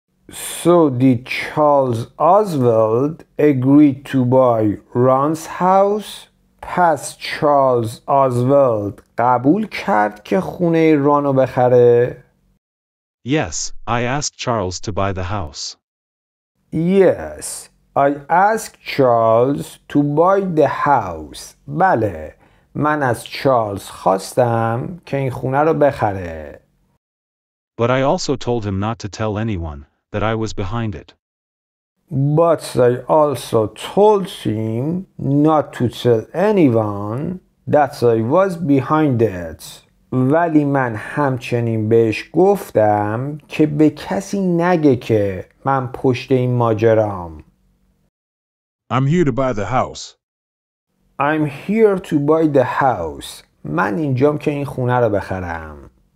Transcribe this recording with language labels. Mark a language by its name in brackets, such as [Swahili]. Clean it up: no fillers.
[English] So did Charles Oswald agree to buy Ron's house? [Persian] پس چارلز آزولد قبول کرد که خونه ران رو بخره؟ [English] Yes, I asked Charles to buy the house. Yes, I asked Charles to buy the house. [Persian] بله، من از چارلز خواستم که این خونه رو بخره. [English] But I also told him not to tell anyone that I was behind it. But I also told him not to tell anyone that I was behind it. [Persian] ولی من همچنین بهش گفتم که به کسی نگه که من پشت این ماجرام. [English] I'm here to buy the house. I'm here to buy the house. [Persian] من اینجام که این خونه رو بخرم.